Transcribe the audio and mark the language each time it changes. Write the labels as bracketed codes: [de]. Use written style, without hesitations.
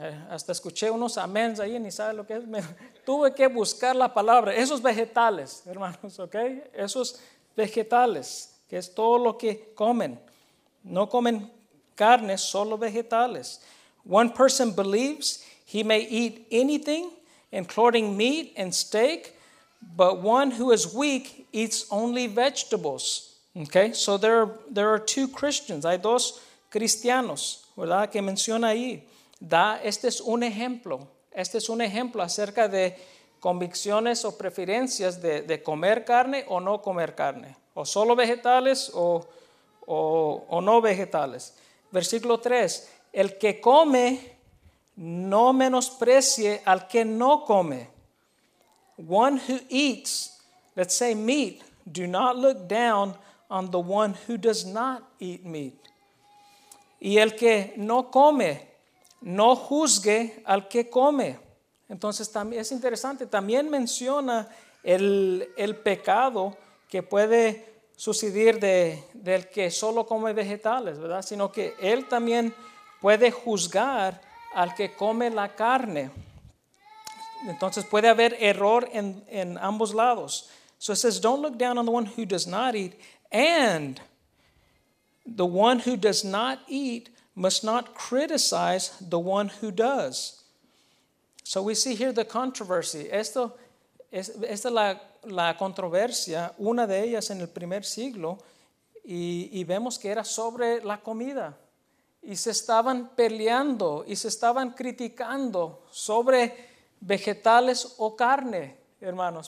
[es] Hasta escuché unos amens ahí, ni sabe lo que es. Tuve que buscar la palabra. Esos vegetales, hermanos, ¿ok? Esos vegetales, que es todo lo que comen. No comen carne, solo vegetales. [en] One person believes he may eat anything, including meat and steak, but one who is weak eats only vegetables. Okay, so there are two Christians. [es] Hay dos cristianos, ¿verdad? Que menciona ahí. Este es un ejemplo. Este es un ejemplo acerca de convicciones o preferencias de comer carne o no comer carne. O solo vegetales o no vegetales. Versículo 3. El que come no menosprecie al que no come. [en] One who eats, let's say meat, do not look down on the one who does not eat meat. [es] Y el que no come, no juzgue al que come. Entonces también es interesante, también menciona el pecado que puede sucedir del que solo come vegetales, ¿verdad? Sino que él también puede juzgar al que come la carne. Entonces puede haber error en ambos lados. [en] So it says, don't look down on the one who does not eat, and the one who does not eat must not criticize the one who does. So we see here the controversy. [es] Esta es la controversia, una de ellas en el primer siglo, y vemos que era sobre la comida. Y se estaban peleando y se estaban criticando sobre vegetales o carne, hermanos.